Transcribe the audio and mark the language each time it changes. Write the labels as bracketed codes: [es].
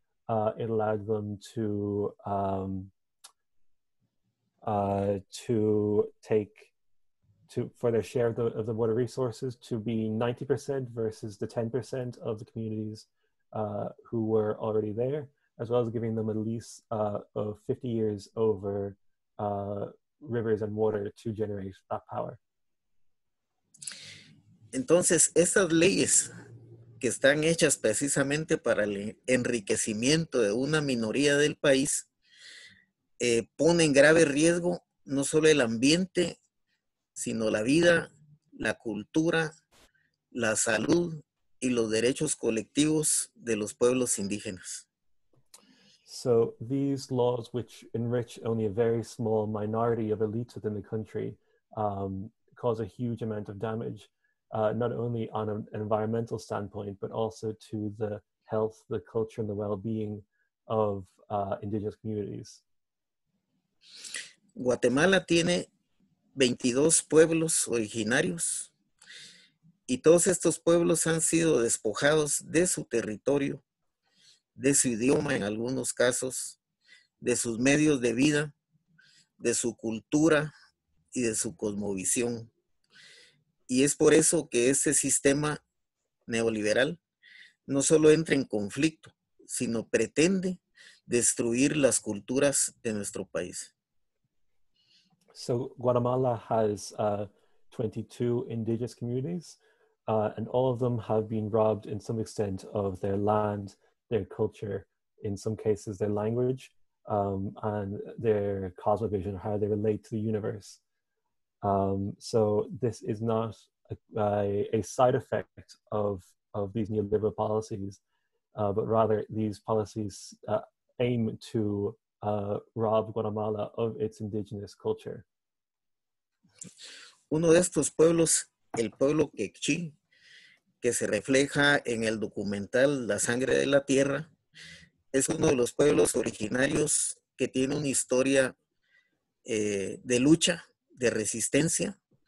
[en] It allowed them to take their share of the water resources to be 90% versus the 10% of the communities who were already there, as well as giving them a lease of 50 years over rivers and water to generate that power. [es] Entonces, estas leyes que están hechas precisamente para el enriquecimiento de una minoría del país pone en grave riesgo no solo el ambiente, sino la vida, la cultura, la salud y los derechos colectivos de los pueblos indígenas. [en] So these laws, which enrich only a very small minority of elites within the country, cause a huge amount of damage, not only on an environmental standpoint, but also to the health, the culture, and the well-being of indigenous communities. [es] Guatemala tiene 22 pueblos originarios y todos estos pueblos han sido despojados de su territorio, de su idioma en algunos casos, de sus medios de vida, de su cultura y de su cosmovisión. Y es por eso que este sistema neoliberal no solo entra en conflicto, sino pretende destruir las culturas de nuestro país. [en] So Guatemala has 22 indigenous communities, and all of them have been robbed in some extent of their land, their culture, in some cases their language, and their cosmovision, how they relate to the universe. So this is not a side effect of these neoliberal policies, but rather these policies aim to rob Guatemala of its indigenous culture. [es] Uno de estos pueblos, el pueblo Quechí, que se refleja en el documental La Sangre de la Tierra, es uno de los pueblos originarios que tiene una historia de lucha, de resistencia,